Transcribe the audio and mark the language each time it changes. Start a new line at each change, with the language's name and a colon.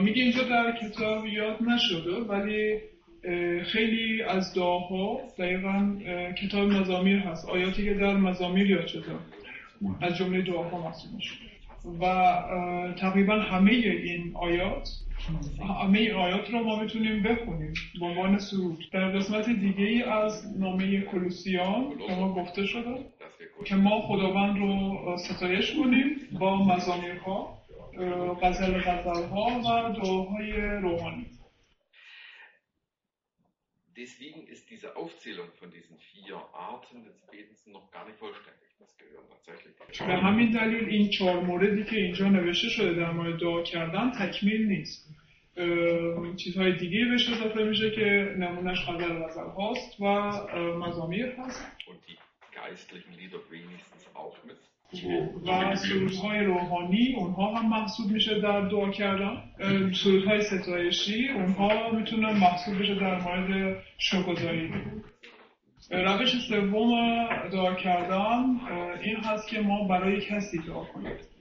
Persian: میگه اینجا در کتاب یاد نشده، ولی خیلی از دعاها دقیقا کتاب مزامیر هست، آیاتی که در مزامیر یاد شده از جمله دعاها محسوب میشه و تقریبا همه این آیات، همه این آیات رو ما میتونیم بخونیم با عنوان سرود. در قسمت دیگه ای از نامه کلوسیان که ما گفته شده که ما خداوند رو ستایش کنیم با مزامیرها، غزل غزلها و دعاهای روحانی.
German: Deswegen ist diese Aufzählung von diesen vier Arten des Betens noch gar nicht vollständig. Das gehört tatsächlich.
Persian: به همین دلیل این چهار موردی که اینجا نوشته شده در مورد دعا کردن تکمیل نیست. چیزهای دیگه بهش اضافه میشه که نمونش غزل غزل هاست و مزامیر هست.
German: Und die geistlichen Lieder wenigstens auch mit.
Persian: و سرودهای روحانی اونها هم محسوب میشه در دعا کردن، سرودهای ستایشی اونها میتونن محسوب بشه در مورد شکرگزاری. روش سوم دعا کردن این هست که ما برای کسی دعا کنیم.